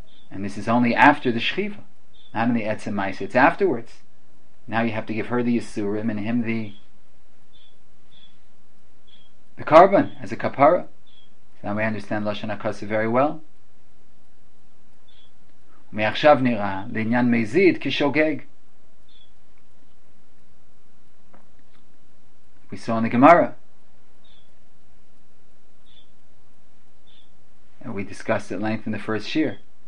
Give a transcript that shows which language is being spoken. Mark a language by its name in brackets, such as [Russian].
[English] And this is only after the shechiva, not in the etzem ma'isa. It's afterwards. Now you have to give her the yisurim and him the karban as a kapara. So now we understand Lashon HaKasa very well. [Hebrew] ומעכשיו נראה לעניין מזיד כשוגג. [English] We saw in the Gemara, and we discussed at length in the first shir.